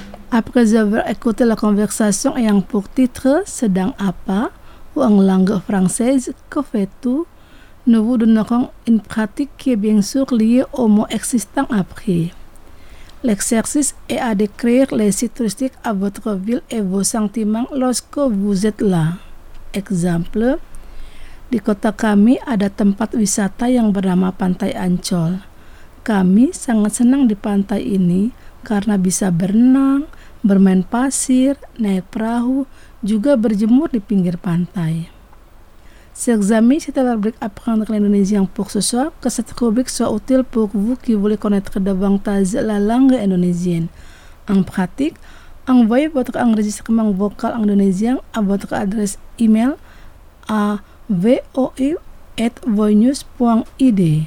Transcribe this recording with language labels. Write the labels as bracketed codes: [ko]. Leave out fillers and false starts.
[fr] Après avoir écouté la conversation ayant pour titre « [id] Sedang apa ?» [fr] ou en langue française « Que fais-tu ?» nous vous donnerons une pratique qui est bien sûr liée au mot existant après. L'exercice est à décrire les sites touristiques à votre ville et vos sentiments lorsque vous êtes là. [id] Exemple, di kota kami ada tempat wisata yang bernama Pantai Ancol. Kami sangat senang di pantai ini karena bisa berenang, bermain pasir, naik perahu, juga berjemur di pinggir pantai. [fr] S'examen, c'est la rubrique apprendre l'indonésien pour ce soir. Que cette rubrique soit utile pour vous qui voulez connaître davantage la langue indonésienne. En pratique, envoyez votre enregistrement vocal indonésien à votre adresse email à voe@voinews.id.